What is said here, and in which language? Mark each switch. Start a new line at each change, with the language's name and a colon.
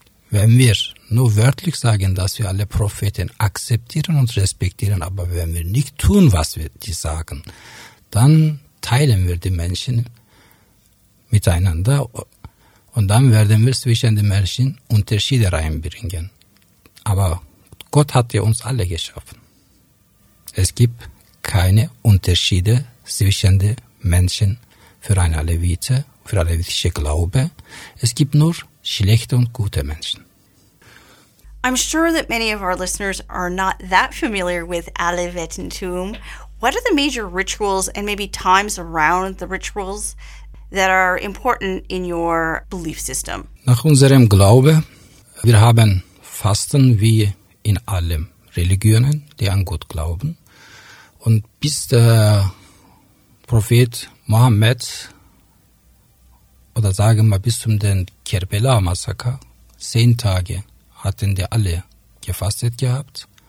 German: Wenn wir nur wörtlich sagen, dass wir alle Propheten akzeptieren und respektieren, aber wenn wir nicht tun, was wir die sagen, dann teilen wir die Menschen miteinander und dann werden wir zwischen den Menschen Unterschiede reinbringen. Aber Gott hat ja uns alle geschaffen. Es gibt keine Unterschiede zwischen den Menschen für eine Alevite, für alevitische Glaube. Es gibt nur schlechte und gute Menschen.
English: I'm sure that many of our listeners are not that familiar with Alevitentum. What are the major rituals and maybe times around the rituals that are important in your belief system?
German: Nach unserem Glaube, wir haben Fasten wie in allen Religionen, die an Gott glauben. Und bis der Prophet Mohammed, oder sagen wir bis zum den Kerbela-Massaker, 10 Tage hatten die alle gefastet gehabt.